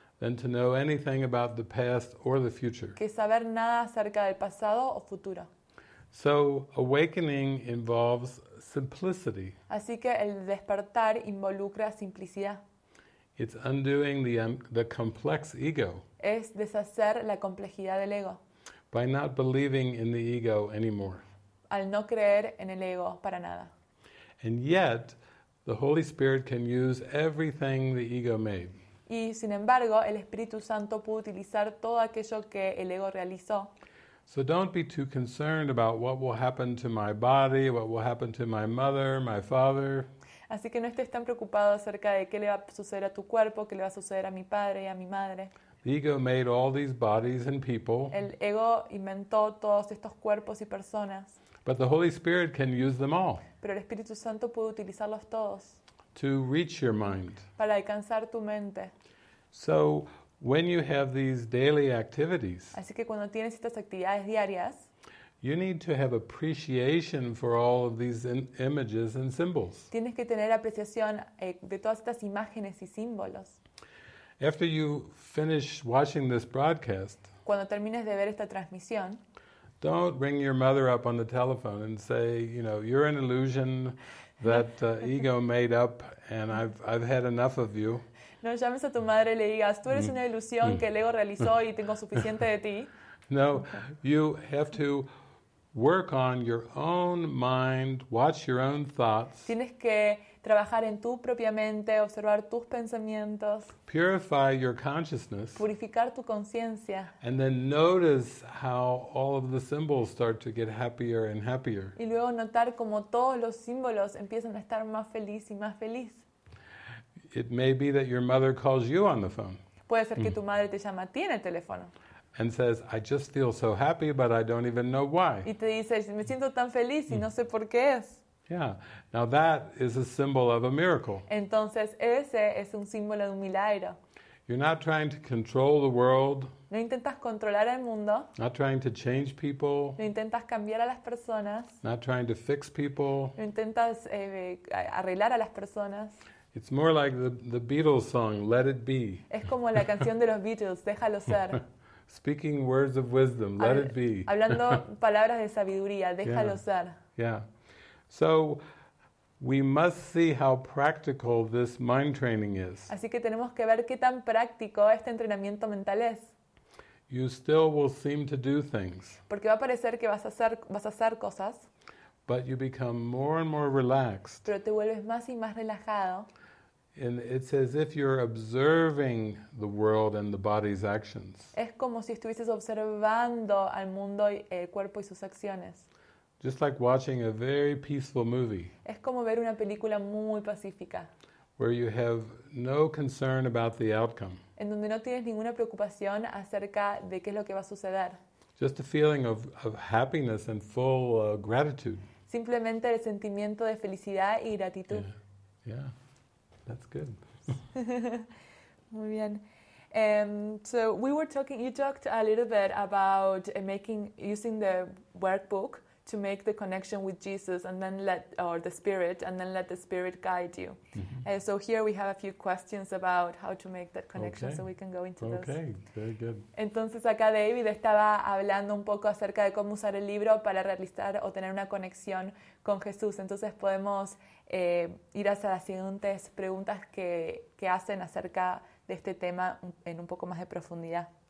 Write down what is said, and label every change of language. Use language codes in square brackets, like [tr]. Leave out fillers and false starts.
[en] than to know anything about the past or the future. [es] Que saber nada acerca del pasado o futuro. [en] So awakening involves simplicity. [es] Así que el despertar involucra simplicidad. [en] It's undoing the complex ego. [es] Es deshacer la complejidad del ego. [en] By not believing in the ego anymore. [es] Al no creer en el ego para nada. [en] And yet, the Holy Spirit can use everything the ego made. [es] Y sin embargo, el Espíritu Santo pudo utilizar todo aquello que el ego realizó. [en] So don't be too concerned about what will happen to my body, what will happen to my mother, my father. [es] Así que no estés tan preocupado acerca de qué le va a suceder a tu cuerpo, qué le va a suceder a mi padre y a mi madre. [en] The ego made all these bodies and people. [es] El ego inventó todos estos cuerpos y personas. [en] But the Holy Spirit can use them all. [es] Pero el Espíritu Santo pudo utilizarlos todos. [en] To reach your mind. [es] Para alcanzar tu mente. [en] So when you have these daily activities, [es] así que cuando tienes estas actividades diarias, [en] you need to have appreciation for all of these images and symbols. [es] Tienes que tener apreciación de todas estas imágenes y símbolos. [en] After you finish watching this broadcast, [es] cuando termines de ver esta transmisión, [en] don't ring your mother up on the telephone and say, you know, you're an illusion that ego made up and I've had enough of you. [es] No llames a tu madre y le digas, tú eres una ilusión que el ego realizó y tengo suficiente de ti. [en] No, you have to work on your own mind, watch your own thoughts. [es] Tienes que trabajar en tu propia mente, observar tus pensamientos. [en] Purify your consciousness. [es] Purificar tu conciencia. [en] And then notice how all of the symbols start to get happier and happier. [es] Y luego notar cómo todos los símbolos empiezan a estar más feliz y más feliz. [en] It may be that your mother calls you on the phone. [es] Puede ser que tu madre te llama a ti en el teléfono. [en] And says, I just feel so happy, but I don't even know why. [es] Y te dice, me siento tan feliz y no sé por qué es. [en] Yeah, now that is a symbol of a miracle. [es] Entonces, ese es un símbolo de un milagro. [en] You're not trying to control the world. [es] No intentas controlar el mundo. [en] Not trying to change people. [es] No intentas cambiar a las personas. [en] Not trying to fix people. [es] No intentas arreglar a las personas. [en] It's more like the Beatles song, Let It Be. [es] Es como la canción de los Beatles, Déjalo Ser. [en] Speaking words of wisdom, let it be. [es] Hablando palabras de sabiduría, déjalo ser. [en] Yeah. So we must see how practical this mind training is. [es] Así que tenemos que ver qué tan práctico este entrenamiento mental es. [en] You still will seem to do things. [es] Porque va a parecer que vas a hacer cosas. [en] But you become more and more relaxed. [es] Pero te vuelves más y más relajado. [en] And it's as if you're observing the world and the body's actions. [es] Es como si estuvieses observando al mundo y el cuerpo y sus acciones. [en] Just like watching a very peaceful movie. [es] Es como ver una película muy pacífica. [en] Where you have no concern about the outcome. [es] En donde no tienes ninguna preocupación acerca de qué es lo que va a suceder. [en] Just a feeling of happiness and full gratitude. [es] Simplemente el sentimiento de felicidad y gratitud. [en] Yeah. That's good. [es] Muy bien. [en] So we were talking, you talked a little bit about using the workbook to make the connection with Jesus and then let the spirit guide you. Mm-hmm. So here we have a few questions about how to make that connection, okay. So we can go into those. Okay, very good. [es] Entonces acá David estaba hablando un poco acerca de cómo usar el libro para realizar o tener una conexión con Jesús. Entonces podemos ir hacia las siguientes preguntas que hacen acerca de este tema en un poco más de profundidad.